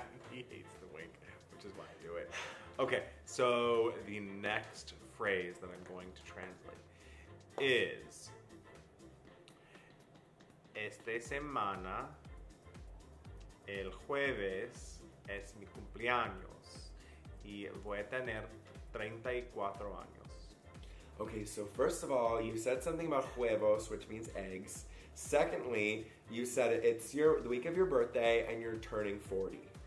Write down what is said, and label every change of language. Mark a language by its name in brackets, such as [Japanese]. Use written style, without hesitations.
[English] He hates the wink, which is why I do it. Okay, so the next phrase that I'm going to translate is [Spanish] esta semana. El jueves es mi cumpleaños y voy a tener 34 años. [English] Okay, so first of all, you said something about huevos, which means eggs. Secondly, you said it's the week of your birthday and you're turning 40.